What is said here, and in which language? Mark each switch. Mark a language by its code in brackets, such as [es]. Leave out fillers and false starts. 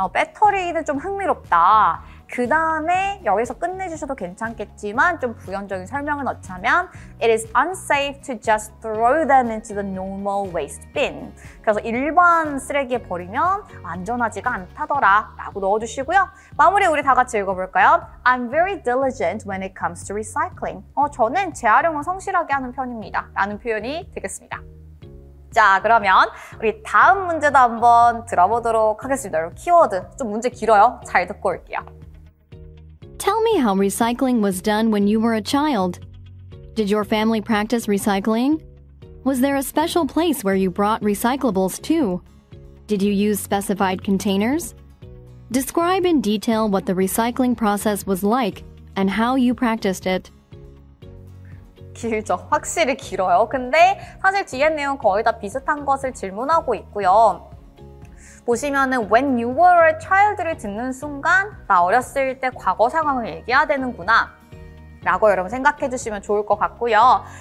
[ko] 배터리는 좀 흥미롭다. 그 다음에 여기서 끝내주셔도 괜찮겠지만 좀 부연적인 설명을 넣자면 [en] It is unsafe to just throw them into the normal waste bin. [ko] 그래서 일반 쓰레기에 버리면 안전하지가 않다더라 라고 넣어주시고요. 마무리 우리 다 같이 읽어볼까요? [en] I'm very diligent when it comes to recycling. [ko] 저는 재활용을 성실하게 하는 편입니다. 라는 표현이 되겠습니다. 자, 그러면 우리 다음 문제도 한번 들어보도록 하겠습니다. 여러분, 키워드 좀 문제 길어요. 잘 듣고 올게요. [en] Tell me how recycling was done when you were a child. Did your family practice recycling? Was there a special place where you brought recyclables to? Did you use specified containers? Describe in detail what the recycling process was like and how you practiced it. [ko] 길죠. 확실히 길어요. 근데 사실 뒤에 내용 거의 다 비슷한 것을 질문하고 있고요. 보시면은 [en] when you were a child [ko] 를 듣는 순간 나 어렸을 때 과거 상황을 얘기해야 되는구나 라고 여러분 생각해 주시면 좋을 것 같고요.